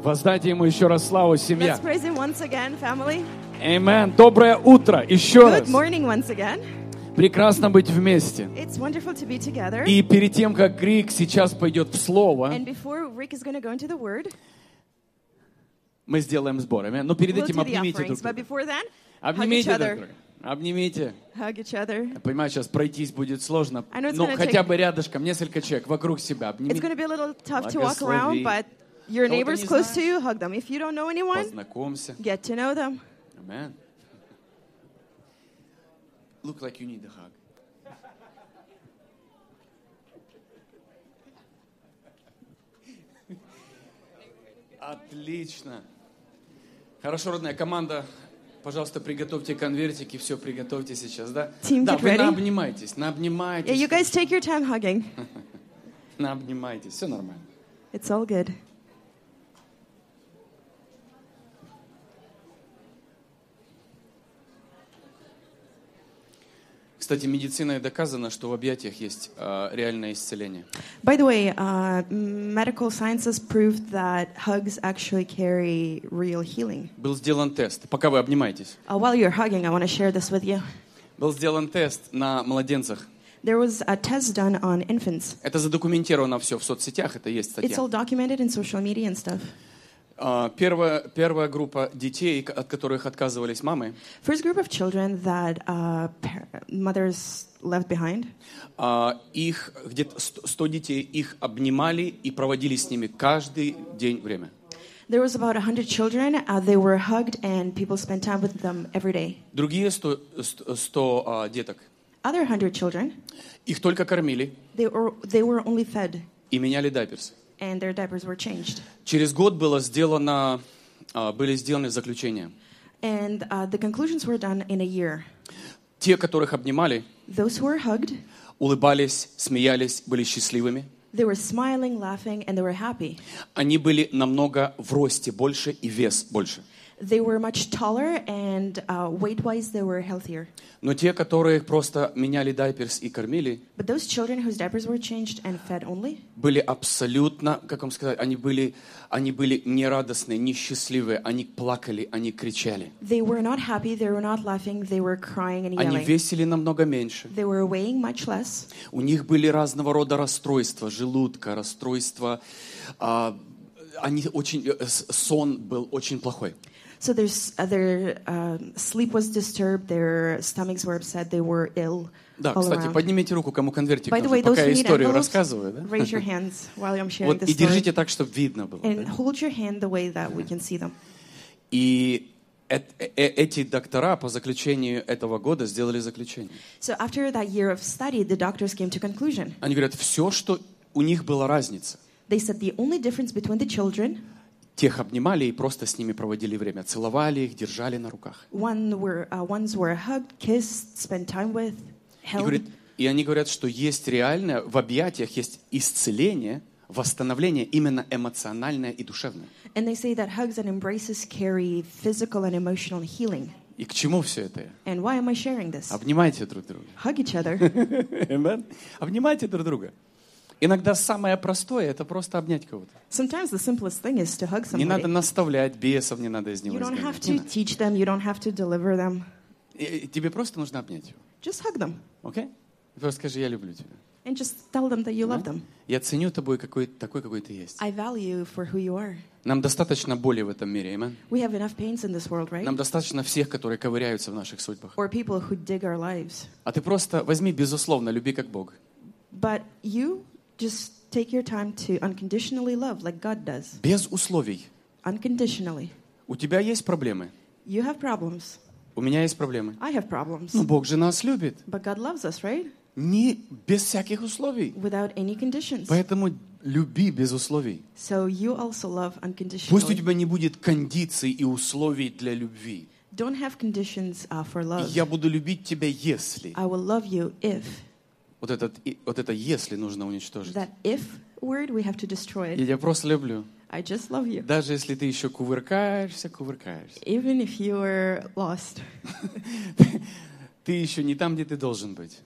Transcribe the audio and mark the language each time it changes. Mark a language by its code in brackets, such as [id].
[ru] Воздайте ему еще раз славу, семья. [en] Let's praise him once again, family. [ru] Amen. Доброе утро еще раз. [en] Good morning once again. [ru] Прекрасно быть вместе. [en] It's wonderful to be together. [ru] И перед тем, как Рик сейчас пойдет в Слово, [en] and before Rick is going to go into the word, [ru] мы сделаем сбор. Amen. Но перед [en] we'll [ru] этим обнимите друг друга. [en] But before then, [ru] обнимите [en] hug each other. [ru] Друг друга. Обнимите. [en] Hug each other. [ru] Я понимаю, сейчас пройтись будет сложно, но хотя бы рядышком, несколько человек вокруг себя. Обнимите. [en] It's going to be a little tough to walk around, but your neighbors close to you, hug them. If you don't know anyone, [ru] познакомься. [en] Get to know them. Amen. Look like you need a hug. [ru] Отлично. Хорошо, родная команда. Пожалуйста, приготовьте конвертики, все приготовьте сейчас, да? [en] Team, [ru] да, [en] get [ru] вы [en] ready. [ru] Наобнимайтесь. [en] Yeah, you guys take your time hugging. [ru] Наобнимайтесь, все нормально. [en] It's all good. [ru] Кстати, медициной доказано, что в объятиях есть реальное исцеление. [en] By the way, medical sciences proved that hugs actually carry real healing. [ru] Был сделан тест. Пока вы обнимаетесь. [en] While you're hugging, I want to share this with you. [ru] Был сделан тест на младенцах. [en] There was a test done on infants. [ru] Это задокументировано все в соцсетях, это есть статья. [en] It's all documented in social media and stuff. [ru] Первая группа детей, от которых отказывались мамы. [en] First group of children that mothers left behind. [ru] Их где-то 100 детей их обнимали и проводили с ними каждый день время. [en] There was about 100 children. They were hugged and people spent time with them every day. [ru] Другие 100 деток. [en] Other 100 children. [ru] Их только кормили. [en] They were only fed. [ru] И меняли дайперсы. [en] And their diapers were changed. [ru] Через год было сделано, были сделаны заключения. [en] And the conclusions were done in a year. [ru] Те, которых обнимали, [en] those who were hugged, [ru] улыбались, смеялись, были счастливыми. [en] They were smiling, laughing, and they were happy. [ru] Они были намного в росте больше и вес больше. [en] They were much taller and weight-wise they were healthier. [ru] Но те, которые просто меняли дайперс и кормили, [en] but those children whose diapers were changed and fed only, [ru] были абсолютно, как вам сказать, они были не радостные, не счастливые, они плакали, они кричали. [en] They were not happy, they were not laughing, they were crying and yelling. [ru] Они весили намного меньше. [en] They were weighing much less. [ru] У них были разного рода расстройства желудка, расстройства они очень сон был очень плохой. [en] So their sleep was disturbed, their stomachs were upset, they were ill. [ru] Да, [en] all [ru] кстати, [en] around. [ru] Поднимите руку, кому конвертик. [en] By the way, [ru] пока [en] those [ru] я историю рассказываю, да? [en] Raise your hands while I'm sharing [ru] вот, [en] this story. [ru] И держите так, чтобы видно было. [en] And [ru] да? [en] Hold your hand the way that yeah. we can see them. [ru] И эти доктора по заключению этого года сделали заключение. [en] So after that year of study, the doctors came to conclusion. [ru] Они говорят, все, что у них была разница. [en] They said the only difference between the children. [ru] Тех обнимали и просто с ними проводили время, целовали их, держали на руках. [en] Ones were hugged, kissed, spent time with, held. [ru] И они говорят, что есть реальное, в объятиях есть исцеление, восстановление именно эмоциональное и душевное. [en] And they say that hugs and embraces carry physical and emotional healing. [ru] И к чему все это? [en] And why am I sharing this? [ru] Обнимайте друг друга. [en] Hug each other. [ru] Amen. Обнимайте друг друга. Иногда самое простое — это просто обнять кого-то. [en] Sometimes the simplest thing is to hug somebody. [ru] Не надо наставлять бесов, не надо из него изгонять. [en] You don't have to teach them, you don't have to deliver them. [ru] Тебе просто нужно обнять его. [en] Just hug them. Okay? [ru] Просто скажи, я люблю тебя. [en] And just tell them that you love them. [ru] Я ценю тобой такой, какой ты есть. [en] I value you for who you are. [ru] Нам достаточно боли в этом мире, amen? [en] We have enough pains in this world, right? [ru] Нам достаточно всех, которые ковыряются в наших судьбах. [en] Or people who dig our lives. [ru] А ты просто возьми, безусловно, люби как Бог. [en] But you... Just take your time to unconditionally love, like God does. [ru] Без условий. [en] Unconditionally. [ru] У тебя есть проблемы. [en] You have problems. [ru] У меня есть проблемы. [en] I have problems. [ru] Но Бог же нас любит. [en] But God loves us, right? [ru] Не без всяких условий. [en] Without any conditions. [ru] Поэтому люби без условий. [en] So you also love unconditionally. [ru] Пусть у тебя не будет кондиций и условий для любви. [en] Don't have conditions for love. [ru] Я буду любить тебя, если. [en] I will love you if. [ru] Вот это «если» нужно уничтожить. [en] That if word we have to destroy it. [ru] Я просто люблю. [en] I just love you. [ru] Даже если ты еще кувыркаешься. [en] Even if you are lost. [ru] Ты еще не там, где ты должен быть.